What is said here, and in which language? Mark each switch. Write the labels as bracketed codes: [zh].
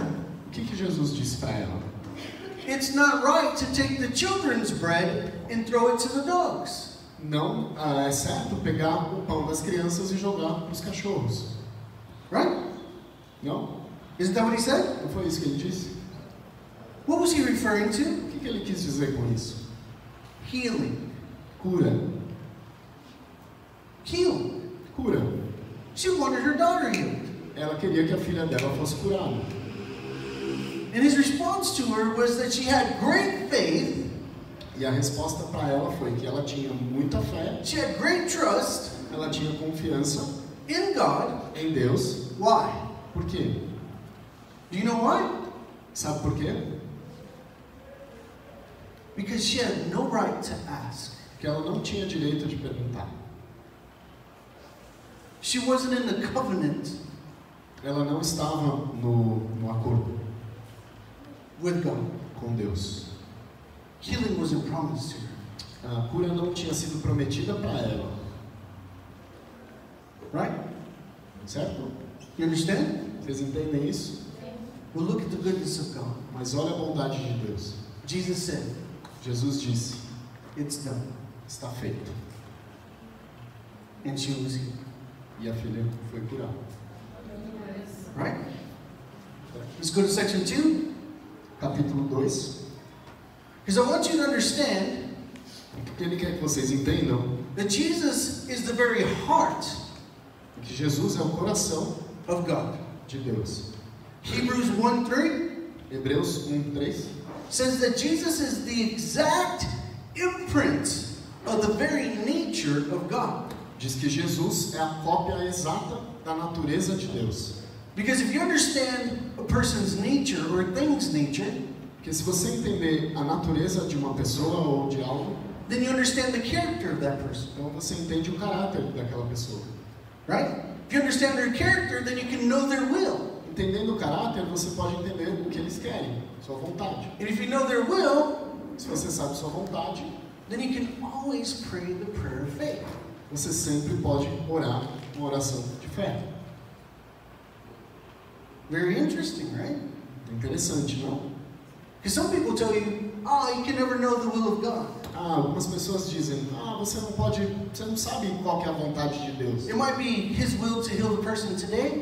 [pt] O que que Jesus disse para ela? [en] It's not right to take the children's bread and throw it to the dogs. [pt] Não é certo pegar o pão das crianças e jogar para os cachorros. [en] Right? [pt] Não? [en] Isn't that what he said? [pt] Não foi isso que ele disse? [en] What was he referring to? [pt] O que ele quis dizer com isso? [en] Healing. [pt] Cura. [en] Heal. [pt] Cura. [en] She wanted her daughter healed. [pt] Ela queria que a filha dela fosse curada. [en] And his response to her was that she had great faith. [pt] E a resposta para ela foi que ela tinha muita fé. [en] She had great trust. [pt] Ela tinha confiança. [en] In God. [pt] Em Deus. [en] Why? [pt] Por quê? [en] Do you know why? [pt] Sabe por quê? [en] Because she had no right to ask. [pt] Porque ela não tinha direito de perguntar. [en] She wasn't in the covenant. [pt] Ela não estava no acordo. [en] With God. [pt] Com Deus. [en] Healing wasn't promised to her. [pt] A cura não tinha sido prometida para ela. [en] Right? [pt] Certo? [en] You understand? [pt] Vocês entendem isso? [en] Yeah. Well, look at the goodness of God. [pt] Mas olha a bondade de Deus. [en] Jesus said. [pt] Jesus disse. [en] It's done. [pt] Está feito. [en] And she was healed. [pt] E a filha foi curada. [en] Right? Let's go to section 2. [pt] Capítulo 2. [en] Because I want you to understand that Jesus is the very heart [pt] que Jesus é o coração [en] of God. [pt] de Deus. Hebreus 1:3. Hebreus 1:3 [en] says that Jesus is the exact imprint of the very nature of God. [pt] Diz que Jesus é a cópia exata da natureza de Deus. [en] Because if you understand a person's nature or a thing's nature, [pt] que se você entender a natureza de uma pessoa ou de algo, [en] then you understand the character of that person. [pt] Então você entende o caráter daquela pessoa. [en] Right? If you understand their character, then you can know their will. [pt] Entendendo o caráter, você pode entender o que eles querem, sua vontade. [en] And if you know their will, [pt] se você sabe sua vontade, [en] then you can always pray the prayer of faith. [pt] Você sempre pode orar uma oração de fé. [en] Very interesting, right? [pt] Interessante, não? [en] Because some people tell you, you can never know the will of God. [pt] Ah, algumas pessoas dizem, você não sabe qual que é a vontade de Deus. [en] It might be His will to heal the person today.